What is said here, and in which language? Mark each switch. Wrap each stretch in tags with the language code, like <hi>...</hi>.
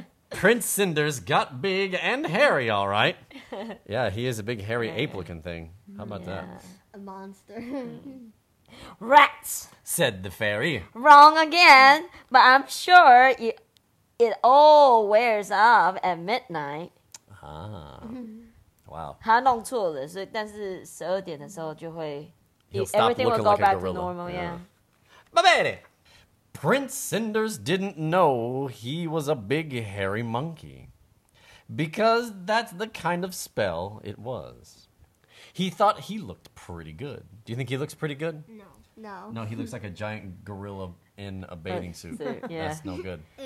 <en>Prince Cinders got big and hairy, all right. Yeah, he is a big hairy ape-looking thing. How about that? A monster. Rats! Said the fairy. Wrong again, but I'm sure it all wears off at midnight. Ah. Wow.</en> <zh>他弄错了，所以但是十二点的时候就会</zh> <en>Everything will go like back a gorilla. To normal, yeah. Babidi! Prince Cinders didn't know he was a big hairy monkey. Because that's the kind of spell it was. He thought he looked pretty good. Do you think he looks pretty good? No. No, he looks like a giant gorilla in a bathing suit. Yeah. That's no good.</en>